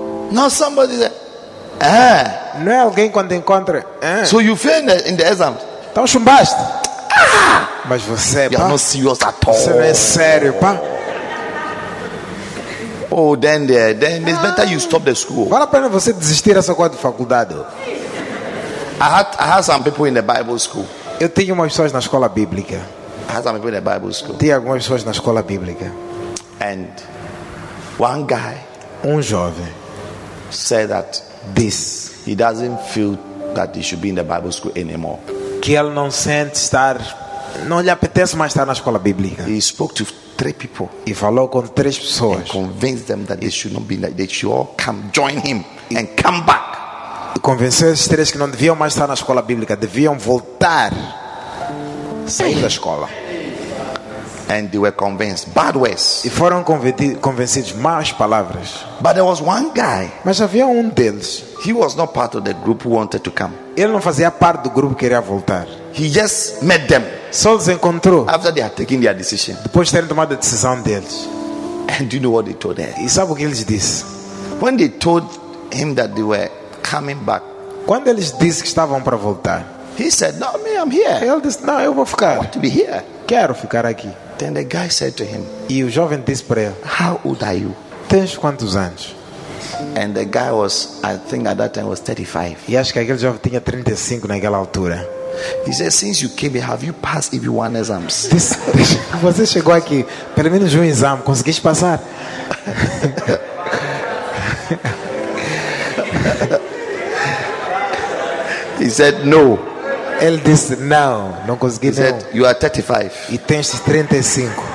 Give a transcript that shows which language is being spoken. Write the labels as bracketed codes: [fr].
[en] Not somebody that. [pt] Não é alguém quando encontra. [en] So you fail in the exams. [pt] Então chumbaste. Mas você, [en] you are not serious at all. [pt] Você não é sério, pá. [en] Oh, then it's better you stop the school. [pt] Vale a pena você desistir dessa coisa de faculdade. [en] I had some people in the Bible school. [pt] Eu tinha umas pessoas na escola bíblica. [en] I had some people in the Bible school. [pt] Tinha algumas pessoas na escola bíblica. [en] And one guy, [pt] jovem, [en] said that this he doesn't feel that he should be in the Bible school anymore. [pt] Que ele não sente estar, não lhe apetece mais estar na escola bíblica. [en] He spoke to three people. [pt] E falou com três pessoas. [en] And convinced them that they should not be, that they should all come join him and come back. [pt] Convenceu esses três que não deviam mais estar na escola bíblica, deviam voltar, sair da escola. [en] And they were convinced. Bad words. [pt] E foram convencidos más palavras. [en] But there was one guy. [pt] Mas havia deles. [en] He was not part of the group who wanted to come. [pt] Ele não fazia parte do grupo que queria voltar. [en] he just met them. [pt] Só os encontrou. [en] After they had taken their decision. [pt] Depois de terem tomado a decisão deles. [en] And do you know what they told them? [pt] E sabe o que eles disse? [en] When they told him that they were coming back. [pt] Quando eles disse que estavam para voltar. [en] He said, "No, me, I'm here." [pt] Ele disse, "Não, eu vou ficar. [en] I want to be here. [pt] Quero ficar aqui." [en] Then the guy said to him. [pt] E o jovem disse para ele. [en] How old are you? [pt] Tens quantos anos? [en] And the guy was, I think at that time was 35. [pt] E acho que aquele jovem tinha 35 naquela altura. [en] He said, "Since you came here, have you passed even one exam?" [pt] Você chegou aqui, pelo menos um exame, conseguiste passar? [en] He said, "No." [pt] Ele disse, "Não, não consegui." [en] He said, "You are 35." [pt] E tens 35.